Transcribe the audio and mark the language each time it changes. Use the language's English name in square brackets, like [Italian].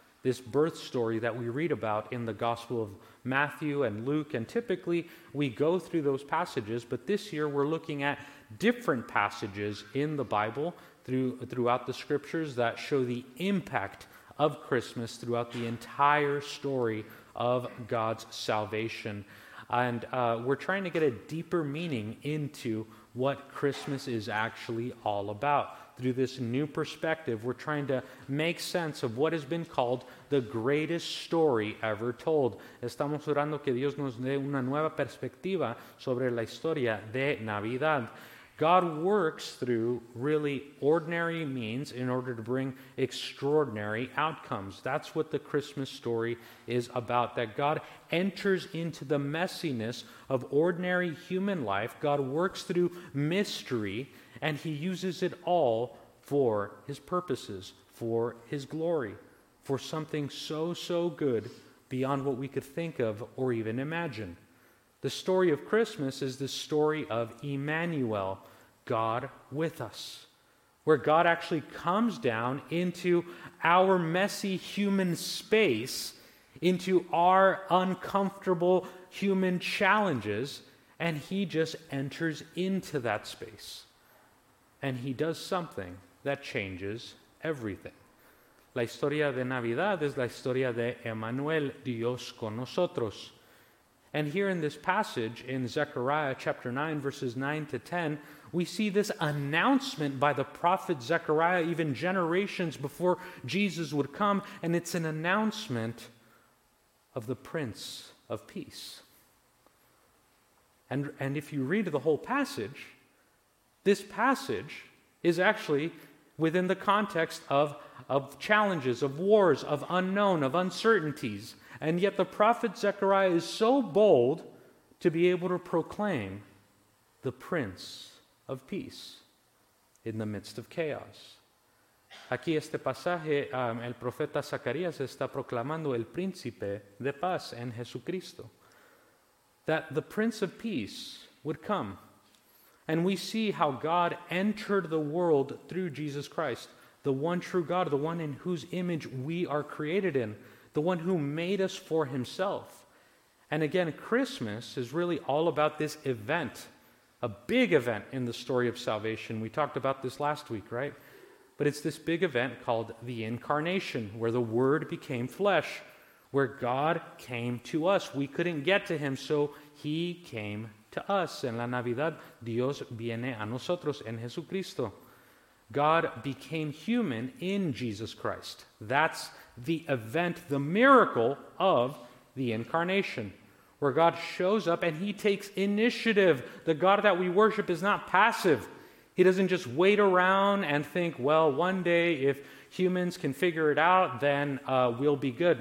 [English] This birth story that we read about in the Gospel of Matthew and Luke, and typically we go through those passages, but this year we're looking at different passages in the Bible throughout the scriptures that show the impact of Christmas throughout the entire story of God's salvation. And we're trying to get a deeper meaning into what Christmas is actually all about. Through this new perspective, we're trying to make sense of what has been called the greatest story ever told. [Spanish] Estamos orando que Dios nos dé una nueva perspectiva sobre la historia de Navidad. [English] God works through really ordinary means in order to bring extraordinary outcomes. That's what the Christmas story is about, that God enters into the messiness of ordinary human life. God works through mystery, and he uses it all for his purposes, for his glory, for something so, so good beyond what we could think of or even imagine. The story of Christmas is the story of Emmanuel, God with us, where God actually comes down into our messy human space, into our uncomfortable human challenges, and he just enters into that space. And he does something that changes everything. [Spanish] La historia de Navidad es la historia de Emmanuel, Dios con nosotros. [English] And here in this passage, in Zechariah chapter 9, verses 9 to 10, we see this announcement by the prophet Zechariah even generations before Jesus would come, and it's an announcement of the Prince of Peace. And if you read the whole passage, this passage is actually within the context of challenges, of wars, of unknown, of uncertainties. And yet the prophet Zechariah is so bold to be able to proclaim the Prince of Peace in the midst of chaos. [Spanish] Aquí este pasaje, el profeta Zacarías está proclamando el Príncipe de Paz en Jesucristo. [English] That the Prince of Peace would come. And we see how God entered the world through Jesus Christ, the one true God, the one in whose image we are created in, the one who made us for himself. And again, Christmas is really all about this event, a big event in the story of salvation. We talked about this last week, right? But it's this big event called the incarnation, where the Word became flesh, where God came to us. We couldn't get to him, so he came to us. [Spanish] En la Navidad, Dios viene a nosotros en Jesucristo. [English] God became human in Jesus Christ. That's the event, the miracle of the incarnation, where God shows up and he takes initiative. The God that we worship is not passive. He doesn't just wait around and think, well, one day if humans can figure it out, then we'll be good.